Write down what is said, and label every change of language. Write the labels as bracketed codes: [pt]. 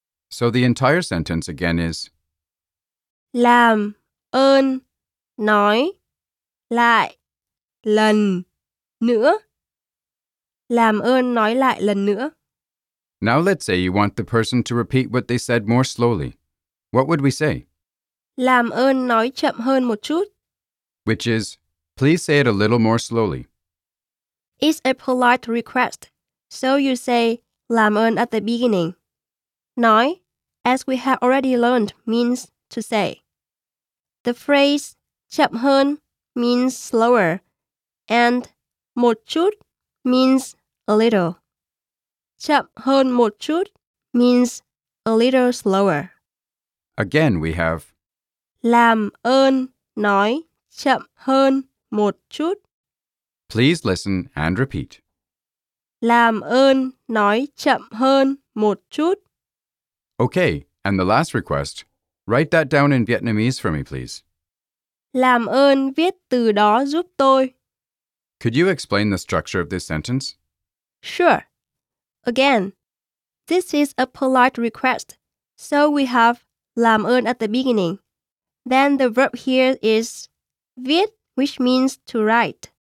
[en] So the entire sentence again is [vi] Làm ơn nói lại lần nữa. Làm ơn nói lại lần nữa. [en] Now let's say you want the person to repeat what they said more slowly. What would we say? [vi] Làm ơn nói chậm hơn một chút. [en] Which is, please say it a little more slowly. It's a polite request. So you say, [vi] làm ơn [en] at the beginning. Nói, as we have already learned, means to say. The phrase, [vi] chậm hơn, [en] means slower. And [vi] một chút [en] means a little. [vi] Chậm hơn một chút [en] means a little slower. Again, we have [vi] Làm ơn nói chậm hơn một chút. [en] Please listen and repeat. [vi] Làm ơn nói chậm hơn một chút. [en] Okay, and the last request. Write that down in Vietnamese for me, please. [vi] Làm ơn viết từ đó giúp tôi. [en] Could you explain the structure of this sentence? Sure. Again, this is a polite request, so we have [vi] làm ơn [en] at the beginning. Then the verb here is viết, which means to write.